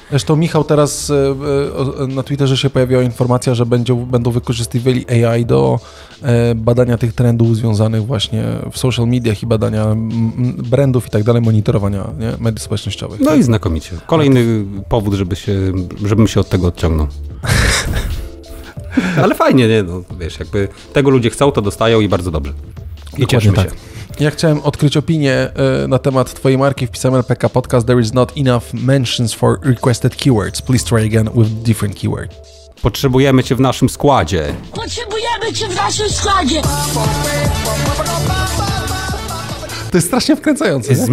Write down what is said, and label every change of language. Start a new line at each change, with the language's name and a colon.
Polish: Zresztą Michał teraz na Twitterze się pojawiła informacja, że będą wykorzystywali AI do badania tych trendów związanych właśnie w social mediach i badania brandów i tak dalej, monitorowania, nie? Mediów społecznościowych. No tak? I znakomicie. Kolejny powód, żebym się od tego odciągnął. Ale fajnie, nie? No, wiesz, jakby tego ludzie chcą, to dostają i bardzo dobrze. I cieszymy tak. się. Ja chciałem odkryć opinię na temat twojej marki, wpisałem LPK Podcast.
English: There is not enough mentions for requested keywords. Please try again with different keyword.
Polish: Potrzebujemy cię w naszym składzie. Potrzebujemy cię w naszym składzie. To jest strasznie wkręcające.